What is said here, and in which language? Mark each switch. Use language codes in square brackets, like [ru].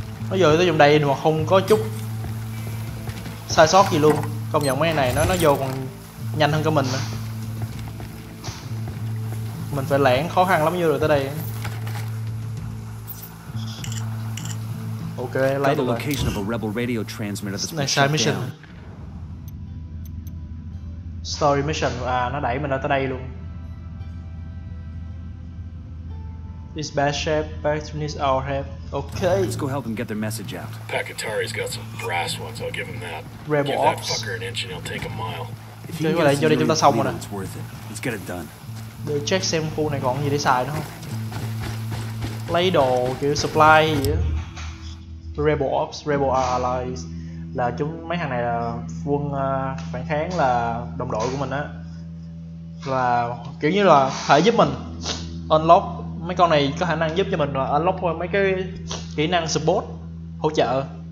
[vi] Nó vô tới trong đây mà không có chút sai sót gì luôn. Công nhận mấy này nó vô còn nhanh hơn cả mình nữa. Mình phải lẻn khó khăn lắm vô được tới đây. [en] Got the location of a rebel radio transmitter that's been shut down. [vi] Story mission, à, nó đẩy mình ra tới đây luôn. [en] This bad shape, back to this our help. Okay. Let's go help them get their message out. Pakatari's got some brass ones, I'll give him that. Rebel give ops. Give that fucker an inch and he'll take a mile. If he gets through, really really really it's worth it. Let's get it done. [vi] Để check xem khu này còn gì để xài nữa không. Lấy đồ kiểu supply gì á. Rebel Ops, Rebel Allies là chúng mấy thằng này là quân phản kháng, là đồng đội của mình á, là kiểu như là thể giúp mình unlock mấy con này, có khả năng giúp cho mình unlock mấy cái kỹ năng support hỗ trợ.